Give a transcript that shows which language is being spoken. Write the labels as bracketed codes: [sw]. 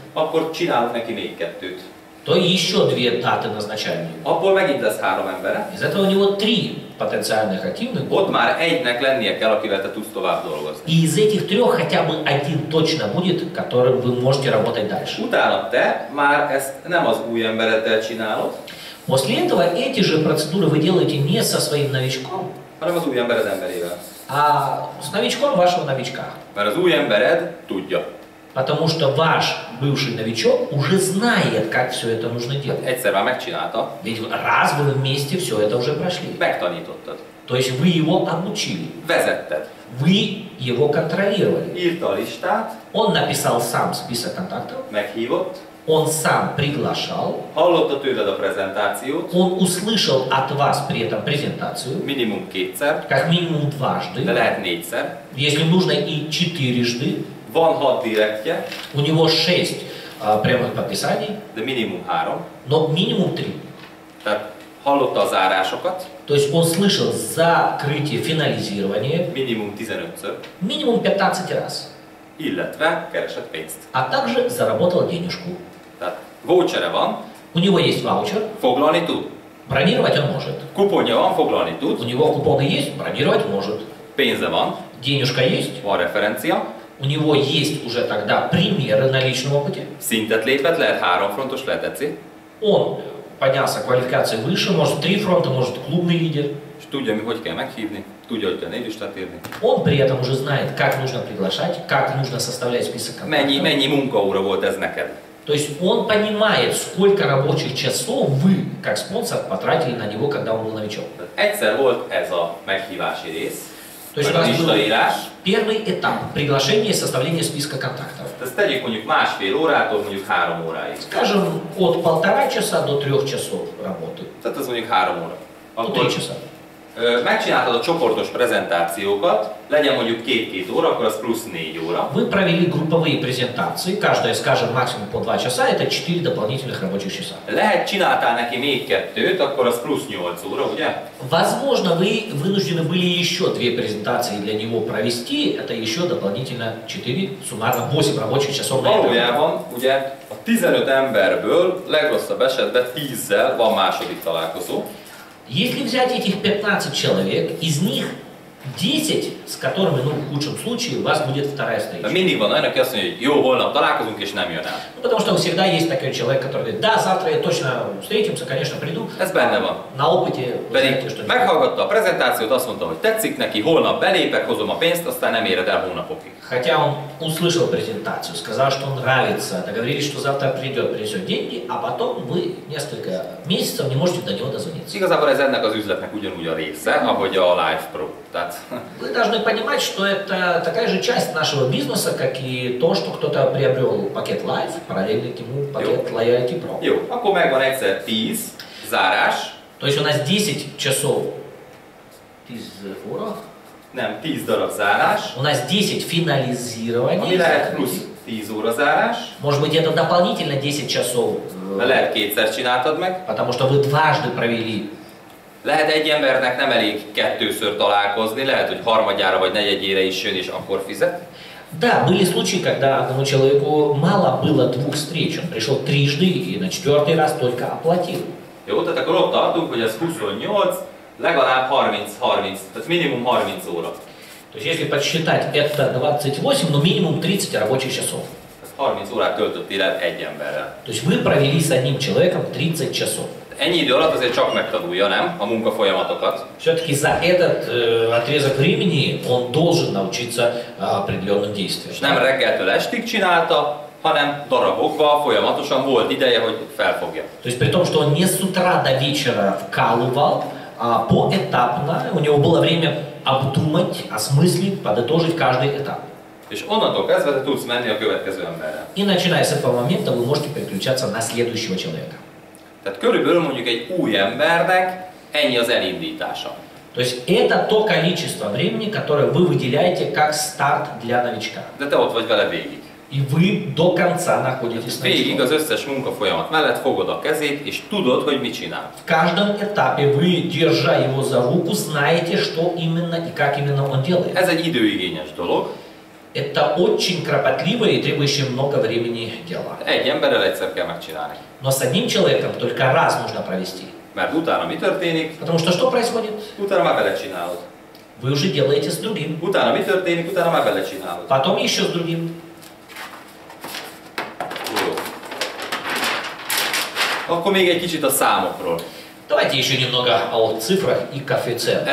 [hu] akkor csinálunk neki még kettőt. [ru] То еще две даты назначаем. [hu] Abból megint lesz három embere. [ru] Из этого у него три потенциальных активных. [hu] Ott már egynek lennie kell, akivel te tudsz tovább dolgozni. [ru] И из этих трех хотя бы один точно будет, которым вы можете работать дальше. [hu] Utána te már ezt nem az új embereddel csinálod. [ru] После этого эти же процедуры вы делаете не со своим новичком, [hu] hanem az új embered emberével. [ru] А с новичком вашего новичка. [hu] Mert az új embered tudja. [ru] Потому что ваш бывший новичок уже знает, как все это нужно делать. [hu] Egyszer már megcsinálta. [ru] Ведь раз вы вместе все это уже прошли. [hu] Megtanítottad. [ru] То есть вы его обучили. [hu] Везетted. [ru] Вы его контролировали. [hu] Írta a listát. [ru] Он написал сам список контактов. [hu] Meghívott. [ru] Он сам приглашал. [hu] Hallotta tőled a prezentációt. [ru] Он услышал от вас при этом презентацию. [hu] Minimum kétszer. [ru] Как минимум дважды. [hu] De lehet négyszer. [ru] Если нужно и четырежды. [hu] Van hat direktje. [ru] У него шесть прямых подписаний. [hu] De minimum három. [ru] Но минимум три. [hu] Tehát hallotta a zárásokat. [ru] То есть он слышал закрытие, финализирование. [hu] Minimum 15-ször. [ru] Минимум 15 раз. [hu] Illetve keresett pénzt. [ru] А также заработал денежку. [hu] Tehát vouchere van. [ru] У него есть ваучер. [hu] Foglalni tud. [ru] Бронировать он может. [hu] Купонja van, foglalni tud. [ru] У него купоны есть, бронировать может. [hu] Pénze van. [ru] Денежка есть. [hu] Van referencia. [ru] У него есть уже тогда примеры на личном опыте. [hu] Szintet lépett, lehet három frontos letetszi. [ru] Он поднялся квалификации выше, может три фронта, может клубный лидер. [hu] Tudja, hogy kell meghívni, tudja, hogy kell névistát írni. [ru] Он при этом уже знает, как нужно приглашать, как нужно составлять список контактов. [hu] Mennyi munkaóra volt ez neked? [ru] То есть он понимает, сколько рабочих часов вы, как спонсор, потратили на него, когда он был новичок. [hu] Egyszer volt ez a meghívási rész. [ru] То есть [hu] az listaírás. [ru] Первый этап приглашение и составление списка контактов. [hu] Tehát tegyük mondjuk másfél órától mondjuk három óráig. [ru] Скажем, от полтора часа до трех часов работы. [hu] Tehát ez mondjuk három óra. Akkor [ru] три часа. [hu] Megcsináltad a csoportos prezentációkat, legyen mondjuk két-két óra, akkor az plusz négy óra. [ru] Вы провели групповые презентации, каждая, скажем, максимум по два часа, это четыре дополнительных рабочих часа. [hu] Lehet, csináltál neki még kettőt, akkor az plusz nyolc óra, ugye? [ru] Возможно, вы вынуждены были еще две презентации для него провести, это еще дополнительно четыре, суммарно восемь рабочих часов. [hu] Valójában, ugye, a 15 emberből legrosszabb esetben 10-zel van második találkozó. [ru] Если взять этих 15 человек, из них 10, с которыми, ну, в худшем случае, у вас будет вторая встреча. Минимум, наверное, ясно, его вольно, találкозунг, если нам ее. Ну, потому что всегда есть такой человек, который говорит, да, завтра я точно встретимся, конечно, приду. [hu] Ez benne van. [ru] На опыте, вы знаете, что... [hu] Meghallgatta a prezentációt, azt mondta, hogy tetszik neki, holnap belépek, hozom a pénzt, aztán nem éred el hónapokig. [ru] Хотя он услышал презентацию, сказал, что он нравится, договорились, что завтра придет, принесет деньги, а потом вы несколько месяцев не можете до него дозвониться. [hu] Igazából ez ennek az üzletnek ugyanúgy a része, ahogy a Live Pro. Tehát... [ru] Вы должны понимать, что это такая же часть нашего бизнеса, как и то, что кто-то приобрел пакет Live, параллельно ему пакет Loyalty Pro. [hu] Jó, akkor megvan egyszer 10, zárás. [ru] То есть у нас 10 часов. [hu] 10 óra? Nem, 10 darab zárás. [ru] У нас 10 финализирования. [hu] Ami lehet plusz 10 óra zárás. [ru] Может быть, это дополнительно 10 часов. [hu] Lehet kétszer csináltad meg. [ru] Потому что вы дважды провели. [hu] Lehet egy embernek nem elég kettőször találkozni, lehet, hogy harmadjára vagy negyedjére is jön és akkor fizet. [ru] Да, были случаи, когда одному человеку мало было двух встреч. Он пришел трижды и на четвертый раз только оплатил. [hu] Jó, tehát akkor ott tartunk, hogy ez 28, legalább 30-30, tehát minimum 30 óra. [ru] То есть, если подсчитать, это 28, но минимум 30 рабочих часов. [hu] 30 órát töltött élet egy emberrel. [ru] То есть, вы провели с одним человеком 30 часов. [hu] Ennyi idő alatt azért csak megtanulja, nem? A munka folyamatokat. [ru] Все-таки за этот отрезок времени он должен научиться определенным действиям. [hu] És nem reggeltől estig csinálta, hanem darabokba folyamatosan volt ideje, hogy felfogja. [ru] То есть при том, что он не с утра до вечера вкалывал, а поэтапно, у него было время обдумать, осмыслить, подытожить каждый этап. [hu] És onnantól kezdve te tudsz menni a következő emberre. [ru] И начиная с этого момента вы можете переключаться на следующего человека. [hu] Tehát körülbelül mondjuk egy új embernek ennyi az elindítása. [ru] То есть это то количество времени, которое вы выделяете как старт для новичка. [hu] De te ott vagy vele végig. [ru] И вы до конца находитесь на [hu] Végig az összes munkafolyamat mellett fogod a kezét, és tudod, hogy mit csinál. [ru] В каждом этапе вы, держа его за руку, знаете, что именно и как именно он делает. [hu] Ez egy időigényes dolog. [ru] Это очень кропотливое и требующее много времени дело. [hu] Egy emberrel egyszer kell megcsinálni. [ru] Но с одним человеком только раз нужно провести. [hu] Mert utána mi történik? [ru] Потому что происходит? [hu] Utána már belecsinálod. [ru] Вы уже делаете с другим. [hu] Utána mi történik? Utána már belecsinálod. [ru] Потом еще с другим. [hu] Akkor még egy kicsit a számokról. [ru] Давайте еще немного о цифрах и коэффициентах.